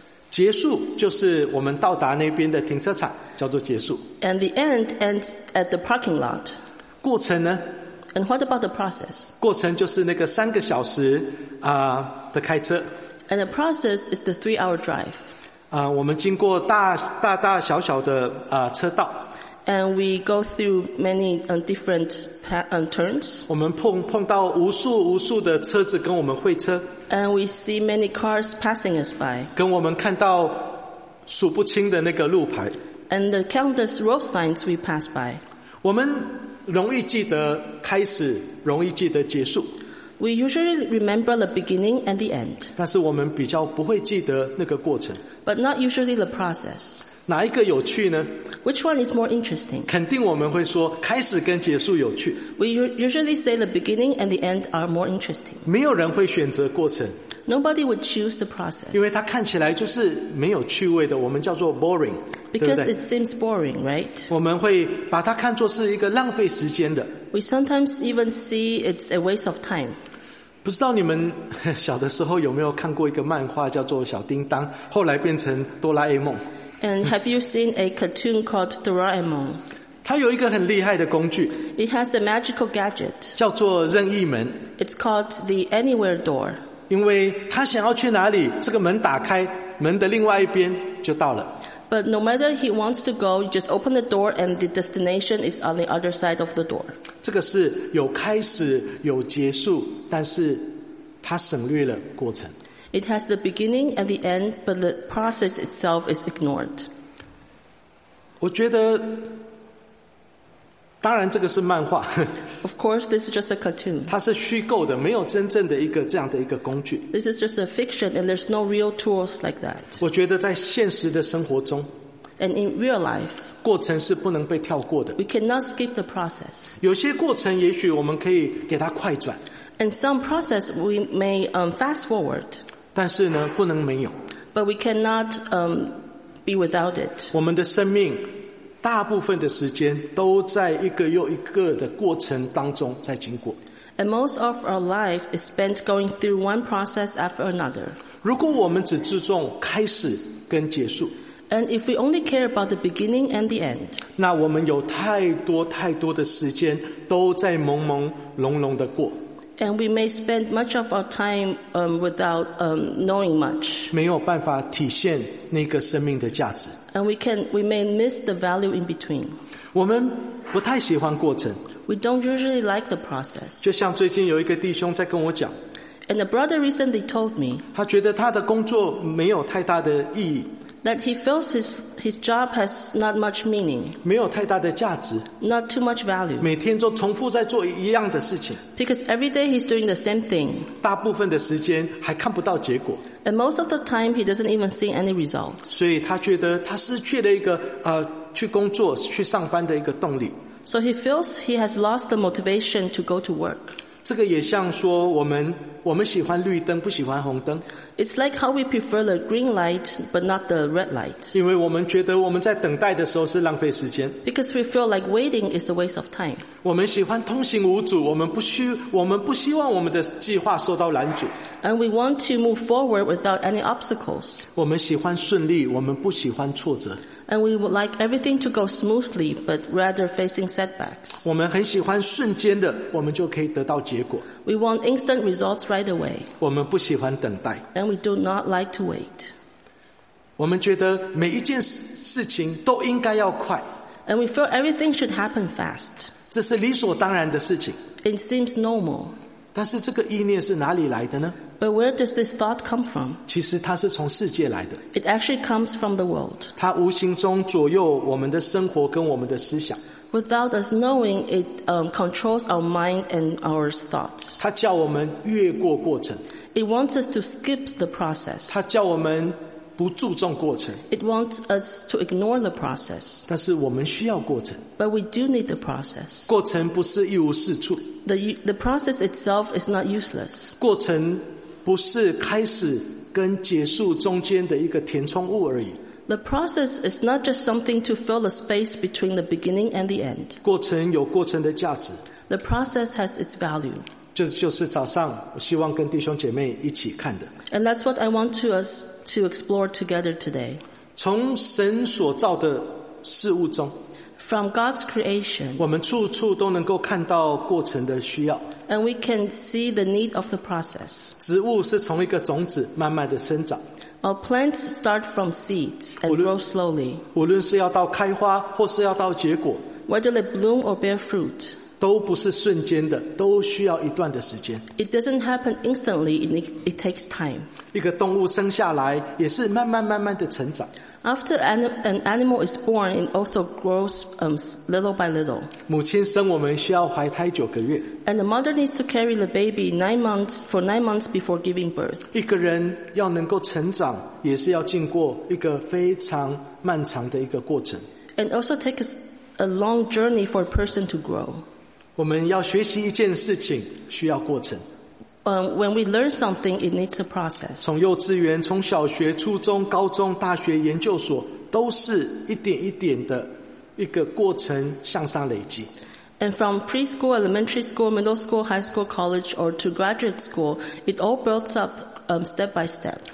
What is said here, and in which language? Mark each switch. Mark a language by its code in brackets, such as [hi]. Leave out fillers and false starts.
[zh] 结束就是我们到达那边的停车场，叫做结束。 [en] And the end ends at the parking lot. [zh] 过程呢？ [en] And what about the process? [zh] 过程就是那个三个小时的开车。 [en] And the process is the 3-hour drive. [zh] 我们经过大小小的车道。 [en] And we go through many different turns. [zh] 我们碰到无数无数的车子跟我们会车。 [en] And we see many cars passing us by. [zh] 跟我们看到数不清的那个路牌。 [en] And the countless road signs we pass by. [zh] 我们容易记得开始，容易记得结束。 [en] We usually remember the beginning and the end. [zh] 但是我们比较不会记得那个过程。 [en] But not usually the process. [zh] 哪一个有趣呢？ [en] Which one is more interesting? [zh] 肯定我们会说开始跟结束有趣。 [en] We usually say the beginning and the end are more interesting. [zh] 没有人会选择过程。 [en] Nobody would choose the process. [zh] 因为它看起来就是没有趣味的，我们叫做 boring。 [en] Because [zh] 对不对？ [en] It seems boring, right? [zh] 我们会把它看作是一个浪费时间的。 [en] We sometimes even see it's a waste of time. [zh] 不知道你们小的时候有没有看过一个漫画叫做小叮当，后来变成哆啦 A 梦。 [en] And have you seen a cartoon called Doraemon? [zh] 它有一个很厉害的工具。 [en] It has a magical gadget. [zh] 叫做任意门。 [en] It's called the anywhere door. [zh] 因为他想要去哪里，这个门打开，门的另外一边就到了。 [en] But no matter he wants to go, you just open the door and the destination is on the other side of the door. [zh] 这个是有开始有结束，但是它省略了过程。 [en] It has the beginning and the end, but the process itself is ignored. [zh] 我觉得当然这个是漫画。 [en] Of course, this is just a cartoon. [zh] 它是虚构的，没有真正的一个这样的一个工具。 [en] This is just a fiction, and there's no real tools like that. [zh] 我觉得在现实的生活中 [en] ，and in real life， [zh] 过程是不能被跳过的。 [en] We cannot skip the process. [zh] 有些过程也许我们可以给它快转 [en] ，and some process we may fast forward. [zh] 但是呢，不能没有。 [en] But we cannot be without it. [zh] 我们的生命。大部分的时间都在一个又一个的过程当中在经过。 [en] And most of our life is spent going through one process after another. [zh] 如果我们只注重开始跟结束。 [en] And if we only care about the beginning and the end. [zh] 那我们有太多太多的时间都在朦朦胧胧的过。 [en] And we may spend much of our time without knowing much. [zh] 没有办法体现那个生命的价值。 [en] And we may miss the value in between. [zh] 我们不太喜欢过程。 [en] We don't usually like the process. [zh] 就像最近有一个弟兄在跟我讲。 [en] And a brother recently told me. [zh] 他觉得他的工作没有太大的意义。 [en] That he feels his job has not much meaning. [zh] 没有太大的价值。 [en] Not too much value. [zh] 每天都重复在做一样的事情。 [en] Because every day he's doing the same thing. [zh] 大部分的时间还看不到结果。 [en] And most of the time he doesn't even see any results. [zh] 所以他觉得他失去了一个去工作去上班的一个动力。 [en] So he feels he has lost the motivation to go to work. [zh] 这个也像说我们喜欢绿灯不喜欢红灯。 [en] It's like how we prefer the green light but not the red light. [zh] 因为我们觉得我们在等待的时候是浪费时间。 [en] Because we feel like waiting is a waste of time. [zh] 我们喜欢通行无阻，我们不希望我们的计划受到拦阻。 [en] And we want to move forward without any obstacles. [zh] 我们喜欢顺利，我们不喜欢挫折。 [en] And we would like everything to go smoothly, but rather facing setbacks. [zh] 我们很喜欢瞬间的，我们就可以得到结果。 [en] We want instant results right away. [zh] 我们不喜欢等待。 [en] And we do not like to wait. [zh] 我们觉得每一件事情都应该要快。 [en] And we feel everything should happen fast. [zh] 这是理所当然的事情。 [en] It seems normal. [zh] 但是这个意念是哪里来的呢？ [en] But where does this thought come from? [zh] 其实它是从世界来的。 [en] It actually comes from the world. [zh] 它无形中左右我们的生活跟我们的思想。 [en] Without us knowing, it controls our mind and our thoughts. [zh] 它叫我们越过过程。 [en] It wants us to skip the process. [zh] 它叫我们不注重过程。 [en] It wants us to ignore the process. [zh] 但是我们需要过程。 [en] But we do need the process. [zh] 过程不是一无是处。 [en] The process itself is not useless. [zh] 过程不是开始跟结束中间的一个填充物而已。 [en] The process is not just something to fill the space between the beginning and the end. [zh] 过程有过程的价值。 [en] The process has its value. [zh] 就是早上我希望跟弟兄姐妹一起看的。 [en] And that's what I want us to explore together today. [zh] 从神所造的事物中。 [en] From God's creation. [zh] 我们处处都能够看到过程的需要。 [en] And we can see the need of the process. [zh] 植物是从一个种子慢慢的生长。 [en] Our plants start from seeds and grow slowly. [zh] 无论是要到开花或是要到结果。 [en] Whether they bloom or bear fruit. [zh] 都不是瞬间的，都需要一段的时间。 [en] It doesn't happen instantly, it takes time. [zh] 一个动物生下来也是慢慢慢慢的成长。 [en] After an animal is born, it also grows little by little. [zh] 母亲生我们需要怀胎九个月。 [en] And the mother needs to carry the baby for nine months before giving birth. [zh] 一个人要能够成长，也是要经过一个非常漫长的一个过程。 [en] And also takes a long journey for a person to grow. [zh] 我们要学习一件事情，需要过程。 [en] When we learn something, it needs a process. [zh] 从幼稚园、从小学、初中、高中、大学、研究所，都是一点一点的一个过程向上累积。 [en] And from preschool, elementary school, middle school, high school, college, or to graduate school, it all builds up step by step.